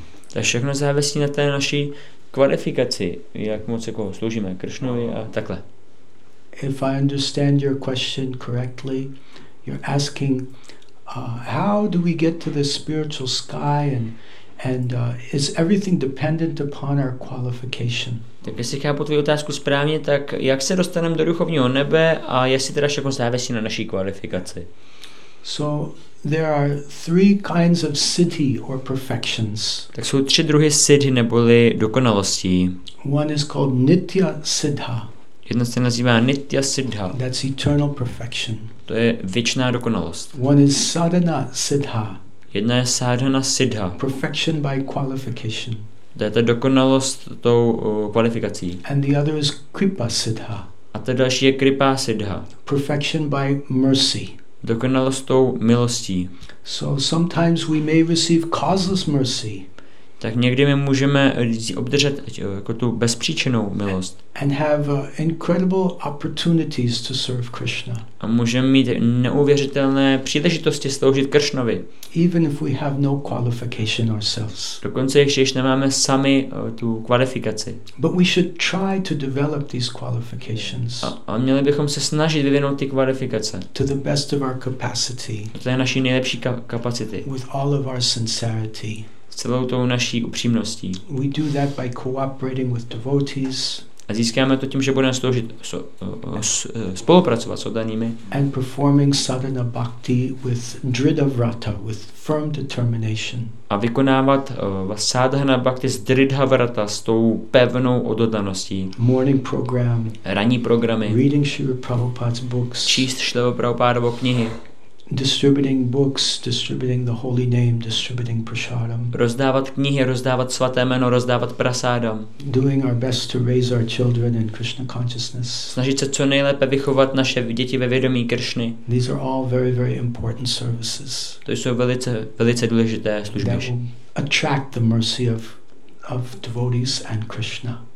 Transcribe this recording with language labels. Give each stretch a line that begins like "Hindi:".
Czech: To všechno závisí na té naší kvalifikaci, jak moc jako sloužíme Kršnovi a takhle.
English: If I understand your question correctly, you're asking how do we get to the spiritual sky and is everything dependent upon our qualification?
Czech: Tak jestli chápu tvoji otázku správně, tak jak se dostaneme do duchovního nebe a jestli teda všechno závisí na naší kvalifikaci?
English: So there are three kinds of siddhi or perfections.
Czech: Tak jsou tři druhy siddhi neboli dokonalostí.
English: One is called nitya siddha.
Czech: Jedna se nazývá nitya siddha.
English: That's eternal perfection.
Czech: To je věčná dokonalost.
English: One is sadhana siddha.
Czech: Jedna je sadhana siddha.
English: Perfection by qualification.
Czech: To je ta dokonalost tou kvalifikací.
English: And the other is kripa siddha.
Czech: A ta další je kripa siddha.
English: Perfection by mercy.
Czech: Dokonalost tou milostí.
English: So sometimes we may receive causeless mercy.
Czech: Tak někdy my můžeme obdržet jako tu bezpříčinnou milost.
English: And have incredible opportunities to serve Krishna.
Czech: A můžeme mít neuvěřitelné příležitosti sloužit Kršnovi.
English: Even if we have no qualification ourselves.
Czech: Dokonce ještě nemáme sami tu kvalifikaci.
English: But we should try to develop these qualifications.
Czech: A měli bychom se snažit vyvinout ty kvalifikace.
English: To the best of our capacity.
Czech: To je naší nejlepší kapacity.
English: With all of our sincerity.
Czech: Celou tou naší upřímností.
English: We do that by cooperating with devotees.
Czech: A získáme to tím, že budeme sloužit spolupracovat s oddanými.
English: And performing sadhana bhakti with dridhavrata, with firm determination.
Czech: A vykonávat sadhana bhakti s dridhavrata, s tou pevnou odhodlaností.
English: Morning program.
Czech: Ranní programy.
English: Reading Srila Prabhupada's books.
Czech: Číst Srila Prabhupádovo knihy.
English: Distributing books, distributing the holy name, distributing prasadam.
Czech: Rozdávat knihy, rozdávat svaté jméno, rozdávat prasádam.
English: Doing our best to raise our children in Krishna consciousness.
Czech: Snažit se co nejlépe vychovat naše děti ve vědomí Kršny.
English: These are all very, very important services.
Czech: To jsou velice, velice důležité služby.
English: That will attract the mercy of devotees and Krishna.